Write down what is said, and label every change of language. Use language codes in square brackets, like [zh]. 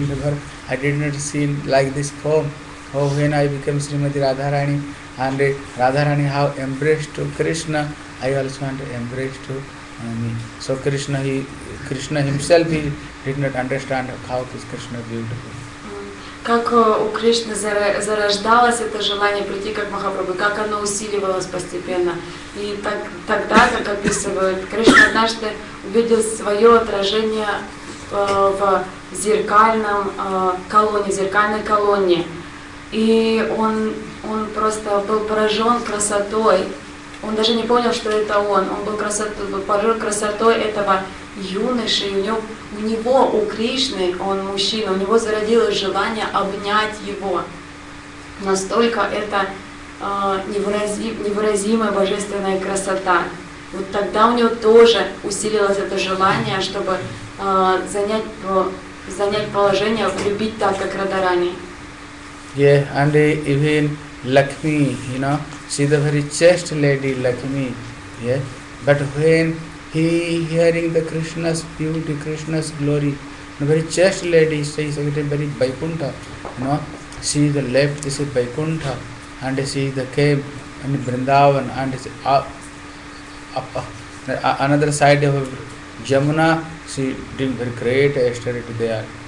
[en] Never, I did not see like this form. Oh, when I became Srimati Radharani, and Radharani how embraced to Krishna, I also want to embrace to me. So Krishna himself, he did not understand how is Krishna beautiful. [ru] Как у Кришны зарождалось это желание прийти как Махапрабху, как оно усиливалось постепенно. И тогда, как описывают, Кришна однажды увидел свое отражение в зеркальном колонне, зеркальной колонне. И он просто был поражен красотой. Он даже не понял, что это он. Он был поражен красотой этого юноши, и у него, у Кришны, он мужчина, у него зародилось желание обнять его. Настолько это невыразимая божественная красота. Вот тогда у него тоже усилилось это желание, чтобы занять положение, влюбить так, как Радарани. [en] Yeah, and even Lakshmi, you know, she's a very chaste lady, Lakshmi, yeah, but when he hearing the Krishna's beauty, Krishna's glory, very chaste lady, she's very Vaikuntha, you know, she the left, this is Vaikuntha, and she is the cave, and Vrindavan, and she up, another side of Yamuna, she doing very great estuary there.